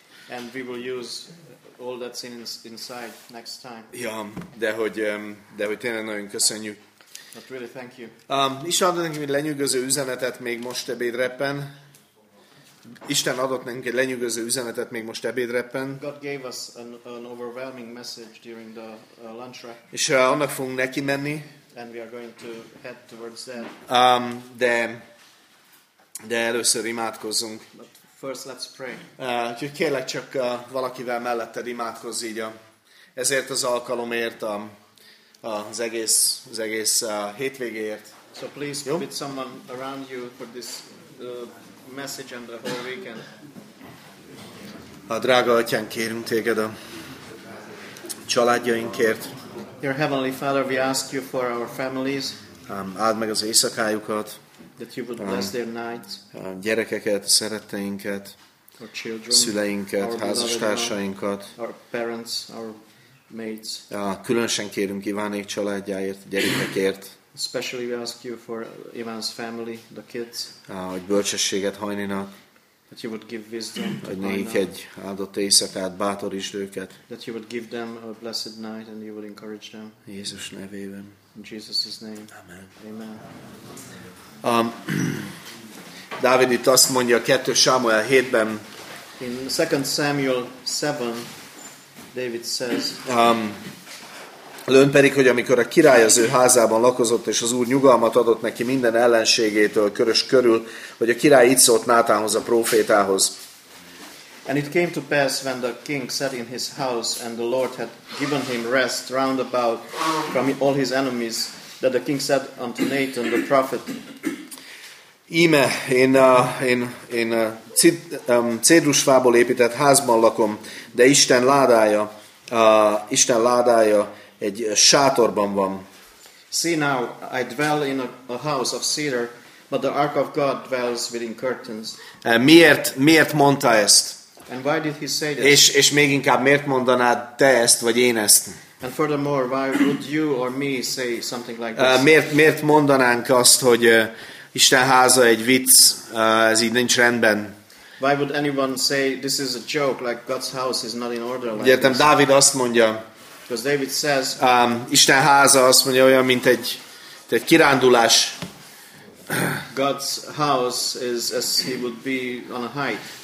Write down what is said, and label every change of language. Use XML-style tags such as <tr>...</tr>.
<en>And we will use all that's inside next time.</en> <hu>Ja, de hogy tényleg nagyon köszönjük.</hu> <en>But really thank you.</en> <hu>Isten adott nekünk egy lenyűgöző üzenetet még most ebédreppen. Isten adott nekünk egy lenyűgöző üzenetet még most ebédreppen.</hu> <en>God gave us an overwhelming message during the lunch rep.</en> <hu>És annak fogunk neki menni.</hu> <en>And we are going to head towards that.</en> <hu>De először imádkozzunk.</hu> <en>But first let's pray.</en> <hu>Úgyhogy kérlek csak valakivel melletted imádkozz így ezért az alkalomért, az egész hétvégéért.</hu> <en>So please put someone around you for this message and the whole weekend.</en> <hu>A drága atyán, kérünk téged a családjainkért.</hu> <en>Your heavenly Father, we ask you for our families.</en> <hu>Áld meg az éjszakájukat.</hu> <en>That you would bless their nights.</en> <hu>Gyerekeket, szeretteinket,</hu> <en>our children,</en> <hu>szüleinket, házastársainkat.</hu> <en>Our parents, our mates.</en> <hu>Különösen kérünk Ivánék családjáért, gyerekekért.</hu> <en>Especially we ask you for Iván's family, the kids.</en> <hu>Hogy bölcsességet hajnának.</hu> <en>That you would give wisdom to</en> <hu>hogy nekik egy áldott éjszakát, bátorítsd őket.</hu> <en>That you would give them a blessed night and you would encourage them.</en> <hu>Jézus nevében.</hu> <en>In Jesus' name.</en> <hu>Amen.</hu> <en>Amen.</en> <hu>Dávid itt azt mondja a 2 Sámuel 7-ben.</hu> <en>In 2 Samuel 7, David says.</en> <hu>Lőn pedig, hogy amikor a király az ő házában lakozott, és az úr nyugalmat adott neki minden ellenségétől körös körül, hogy a király így szólt Nátánhoz, a prófétához.</hu> <en>And it came to pass when the king sat in his house, and the Lord had given him rest round about from all his enemies, that the king said unto Nathan the prophet.</en> <hu>Íme, én cédrusfából épített házban lakom, de Isten ládája egy sátorban van.</hu> <en>See now, I dwell in a house of cedar, but the ark of God dwells within curtains.</en> <hu>Miért mondta ezt?</hu> <en>And why did he say this?</en> <hu>És még inkább miért mondanád te ezt vagy én ezt?</hu> <en>And furthermore, why would you or me say something like this?</en> <hu>Miért mondanánk azt, hogy Isten háza egy vicc, ez így nincs rendben?</hu> <en>Why would anyone say this is a joke, like God's house is not in order? Like</en> <hu>értem, Dávid azt mondja.</hu> <en>Because David says,</en> <hu>Isten háza azt mondja olyan, mint egy kirándulás.</hu> <en>God's house is as he would be on a hike.</en>